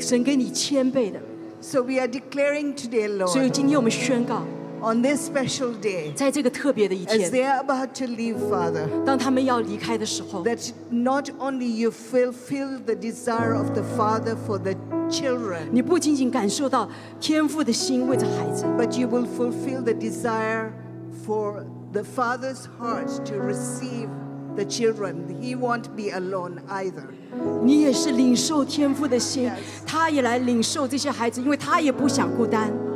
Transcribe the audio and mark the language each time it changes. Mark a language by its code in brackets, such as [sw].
[zh] 神给你千倍的, [en] so we are declaring today, Lord, [zh] 所以今天我们宣告, [en] on this special day, [zh] 在这个特别的一天, [en] as they are about to leave, Father, [zh] 当他们要离开的时候, [en] that not only you fulfill the desire of the Father for the children. [zh] 你不仅仅感受到天父的心为着孩子, [en] but you will fulfill the desire for the Father's heart to receive the children. He won't be alone either. [zh] 你也是领受天父的心, [en] yes. [zh] 他也来领受这些孩子, 因为他也不想孤单。